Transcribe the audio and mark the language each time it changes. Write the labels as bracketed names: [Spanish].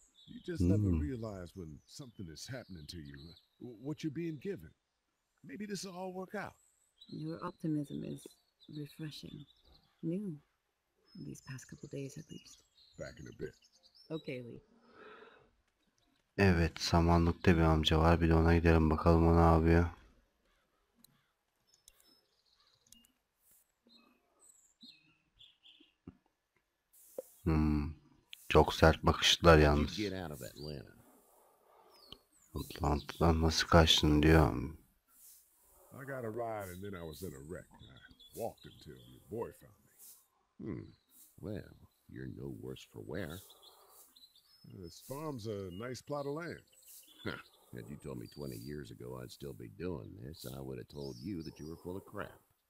[English] You just never realize when something is happening to you, what you're being given. Maybe this will all work out. Your optimism is refreshing. New. These past couple days at least. Back in a bit. Okay, Lee. [Turkish] Evet, Samanlık'ta bir amca var. Bir de ona gidelim bakalım o ne yapıyor. Çok sert bakışlar yalnız. Atlanta'dan nasıl kaçtın diyorum. [English] I got a ride and then I was in a wreck. I walked until your boy found me. Well, you're no worse for wear. This farm's a nice plot of land. Had you told me 20 years ago I'd still be doing this, I would have told you that you were full of crap.